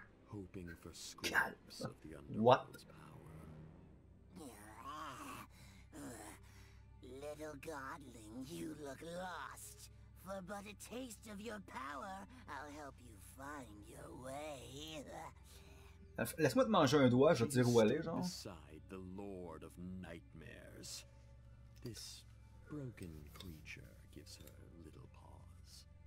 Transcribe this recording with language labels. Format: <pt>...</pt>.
<en>hoping for scraps of the underworld's power. Little godling, you look lost. For but a taste of your power, I'll help you find your way.</en> <fr>Laisse-moi te manger un doigt, je vais te dire où aller, genre.</fr> <en>Beside the lord of nightmares. This broken creature gives her little pause.</en>